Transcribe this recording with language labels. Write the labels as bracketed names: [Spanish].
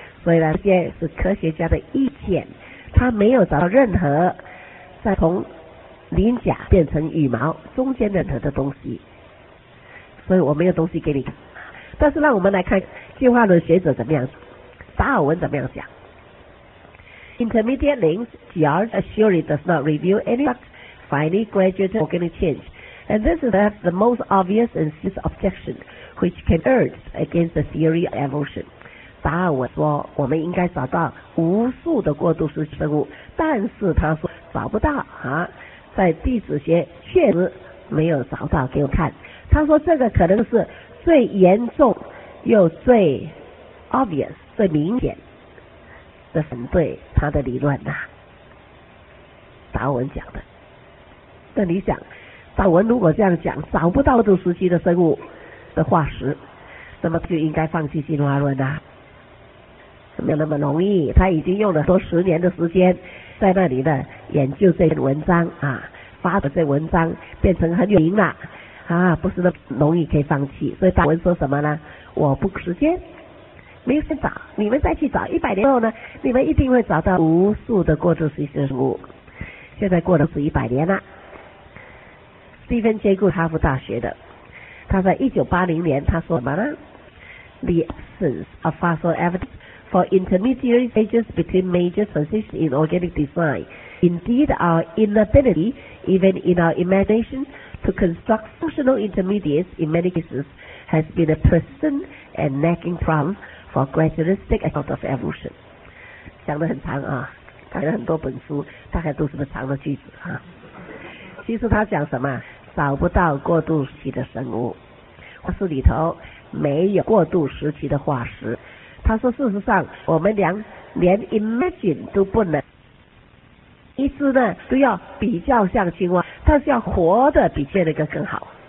[Chinese] 所以呢，这些是科学家的意见，他没有找到任何在从鳞甲变成羽毛中间任何的东西，所以我没有东西给你看。但是让我们来看进化论学者怎么样，达尔文怎么样讲。 [English] Intermediate links, George assuredly does not reveal any finely graduated organic change, and this is perhaps the most obvious and serious objection which can urge against the theory of evolution. [Chinese] 达尔文说我们应该找到无数的过渡时期生物，但是他说找不到啊，在地质学确实没有找到给我看。他说这个可能是最严重又最 obvious 最明显的反对他的理论啊，达尔文讲的。那你想，达尔文如果这样讲找不到过渡时期的生物的化石，那么就应该放弃进化论啊，没有那么容易。他已经用了多十年的时间在那里呢研究这篇文章啊，发的这文章变成很有名了啊，不是那么容易可以放弃。所以达尔文说什么呢？我不时间，没有先找，你们再去找，一百年后呢你们一定会找到无数的过渡时期生物。现在过了是一百年了。斯蒂芬杰固哈佛大学的，他在1980年他说什么呢？ [English] The absence of fossil evidenceFor intermediary stages between major transitions in organic design, indeed our inability, even in our imagination, to construct functional intermediates in many cases has been a persistent and nagging problem for gradualistic account of evolution. [Chinese] 讲得很长啊，他有很多本书，大概都是个长的句子啊。其实他讲什么？找不到过渡期的生物，化石里头没有过渡时期的化石。他说事实上我们连 imagine 都不能，一只呢都要比较像青蛙，但是要活的比这个更好。